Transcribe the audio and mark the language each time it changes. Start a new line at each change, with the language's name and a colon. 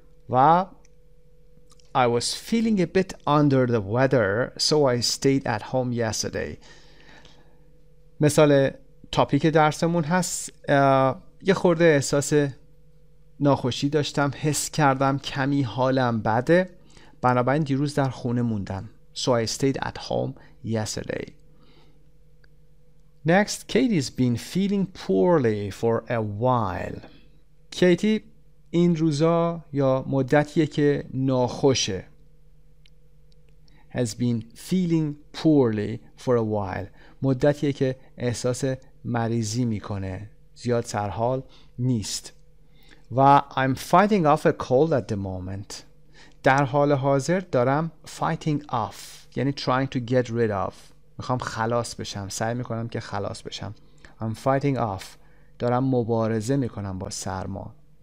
English: و I was feeling a bit under the weather so I stayed at home yesterday.
Persian: مثال تاپیک درسمون هست. یه خورده احساس ناخوشی داشتم، حس کردم کمی حالم بده، بنابراین دیروز در خونه موندم.
English: So I stayed at home yesterday. Next, Katie's been feeling poorly for a while.
Persian: کیتی این روزا یا مدتیه که ناخوشه.
English: Has been feeling poorly for a while.
Persian: مدتیه که احساس مریضی میکنه، زیاد سرحال نیست.
English: و I'm fighting off a cold at the moment.
Persian: در حال حاضر دارم fighting off یعنی
English: trying to get rid of،
Persian: میخوام خلاص بشم، سعی میکنم که خلاص بشم.
English: I'm fighting off،
Persian: دارم مبارزه میکنم با سرما.